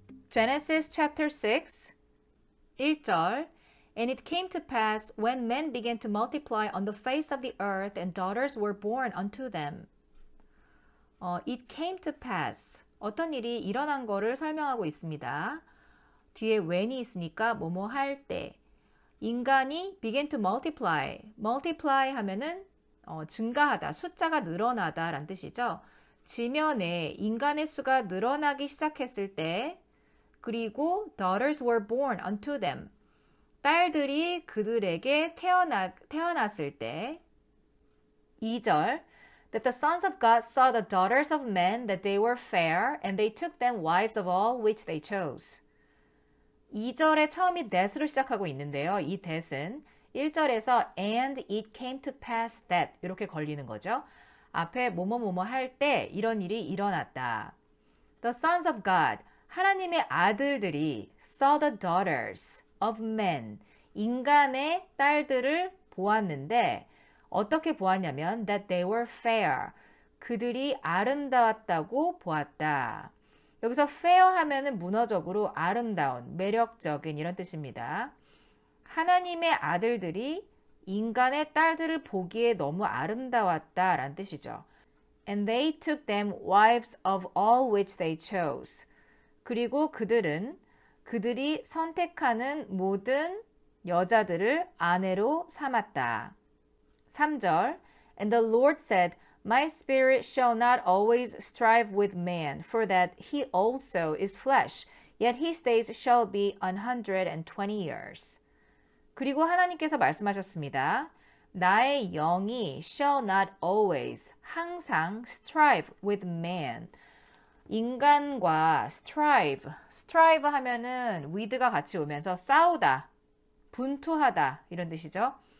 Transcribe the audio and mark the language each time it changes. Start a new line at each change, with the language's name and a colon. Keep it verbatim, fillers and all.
English: Genesis chapter six
Korean: 일 절
English: And it came to pass, when men began to multiply on the face of the earth, and daughters were born unto them. 어, it came to pass.
Korean: 어떤 일이 일어난 거를 설명하고 있습니다. 뒤에 when이 있으니까 뭐뭐 할 때. 인간이
English: began to multiply.
Korean: multiply 하면은 어, 증가하다, 숫자가 늘어나다 라는 뜻이죠. 지면에 인간의 수가 늘어나기 시작했을 때, 그리고
English: daughters were born unto them.
Korean: 딸들이 그들에게 태어나, 태어났을 때 이 절
English: That the sons of God saw the daughters of men that they were fair and they took them wives of all which they chose.
Korean: 이 절에 처음이 that으로 시작하고 있는데요. 이 that은 일 절에서
English: and it came to pass that
Korean: 이렇게 걸리는 거죠. 앞에 뭐뭐뭐뭐 할 때 이런 일이 일어났다.
English: The sons of God,
Korean: 하나님의 아들들이
English: saw the daughters of men,
Korean: 인간의 딸들을 보았는데 어떻게 보았냐면
English: that they were fair,
Korean: 그들이 아름다웠다고 보았다. 여기서 fair 하면은 문어적으로 아름다운, 매력적인 이런 뜻입니다. 하나님의 아들들이 인간의 딸들을 보기에 너무 아름다웠다 라는 뜻이죠.
English: And they took them wives of all which they chose.
Korean: 그리고 그들은 그들이 선택하는 모든 여자들을 아내로 삼았다. 삼 절
English: And the Lord said, My spirit shall not always strive with man, for that he also is flesh, yet his days shall be an hundred and twenty years.
Korean: 그리고 하나님께서 말씀하셨습니다. 나의 영이
English: shall not always,
Korean: 항상
English: strive with man.
Korean: 인간과 strive, strive 하면은 with가 같이 오면서 싸우다, 분투하다 이런 뜻이죠.